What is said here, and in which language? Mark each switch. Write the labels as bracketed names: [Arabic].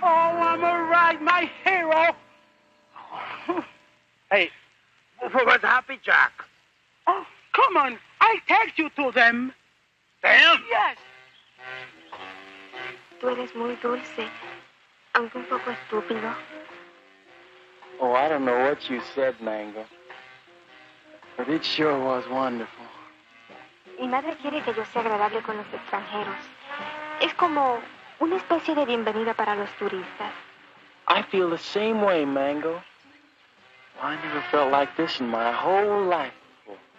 [English] Oh, I'm all right, my hero. Hey, where was Happy Jack? Oh, come on. I'll take you to them. Them? Yes. [Spanish] Tú eres muy dulce, aunque un poco estúpido. [English] Oh, I don't know what you said, Mango. But it sure was wonderful. [Spanish] Mi madre quiere que yo sea agradable con los extranjeros. Es como una especie de bienvenida para los turistas. [English] I feel the same way, Mango. Well, I never felt like this in my whole life before.